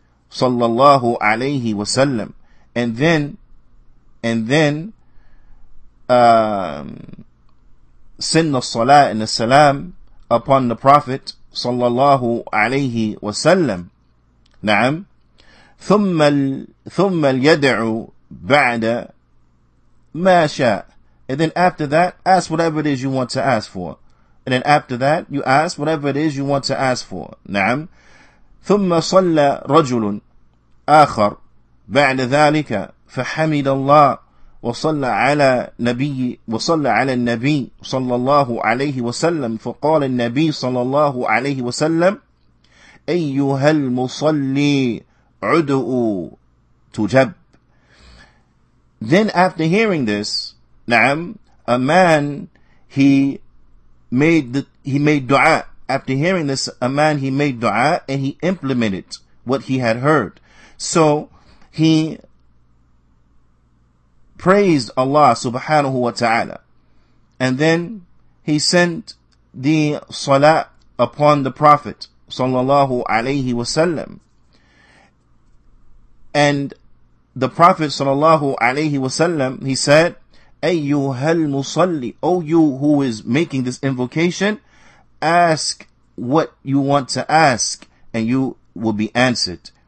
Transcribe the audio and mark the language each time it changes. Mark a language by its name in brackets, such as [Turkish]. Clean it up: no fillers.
[English] صلى الله عليه وسلم, and then send the salah and the salam upon the Prophet صلى الله عليه وسلم. نعم. [Arabic] ثم يدعو بعد ما شاء. [English] And then after that, ask whatever it is you want to ask for. And then after that, you ask whatever it is you want to ask for. [Arabic] نعم. ثم صلى رجل آخر بعد ذلك فحمد الله وصلى على نبي وصلى على النبي صلى الله عليه وسلم فقال النبي صلى الله عليه وسلم أيها المصلي عدؤ تجب. [English] Then after hearing this, نعم, a man, he made dua. After hearing this, a man, he made dua and he implemented what he had heard. So he praised Allah subhanahu wa ta'ala, and then he sent the salat upon the Prophet sallallahu alayhi wasallam, and the Prophet sallallahu alayhi wasallam, he said, [Arabic] Ayyuhal musalli, [English] O you who is making this invocation, ask what you want to ask and you will be answered.